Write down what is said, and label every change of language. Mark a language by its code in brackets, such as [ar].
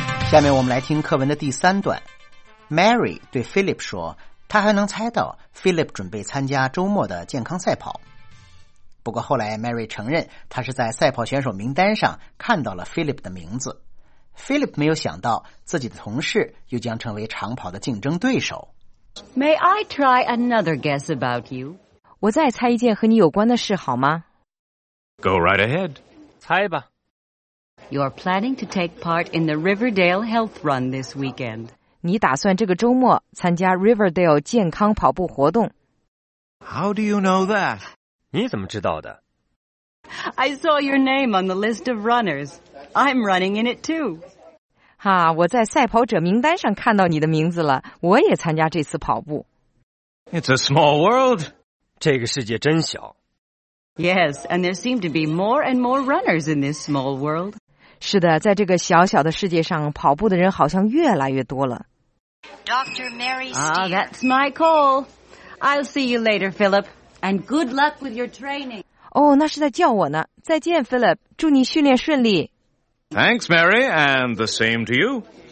[zh] 下面我们来听课文的第三段。Mary 对 Philip 说，他还能猜到 Philip 准备参加周末的健康赛跑。不过后来 Mary 承认，他是在赛跑选手名单上看到了 Philip 的名字。 Philip 没有想到自己的同事又将成为长跑的竞争对手。 [en] May I try another guess about you? [zh] 我再猜一件和你有关的事好吗？ [en] Go right ahead. [zh] 猜吧。 [en] You're planning to take part in the Riverdale Health Run this weekend. [zh] 你打算这个周末参加 Riverdale 健康跑步活动。 [en] How do you know that? [zh] 你怎么知道的？ [en] I saw your name on the list of runners. I'm running in it too. [zh] 哈，我在赛跑者名单上看到你的名字了，我也参加这次跑步。 [en] It's a small world. [zh] 这个世界真小。 [en] Yes, and there seem to be more and more runners in this small world. [zh] 是的，在这个小小的世界上，跑步的人好像越来越多了。 [en] Dr. Mary Steele. That's my call. I'll see you later, Philip. And good luck with your training. [zh] 那是在叫我呢。再见 ,Philip. 祝你训练顺利。 [en] Thanks, Mary, and the same to you.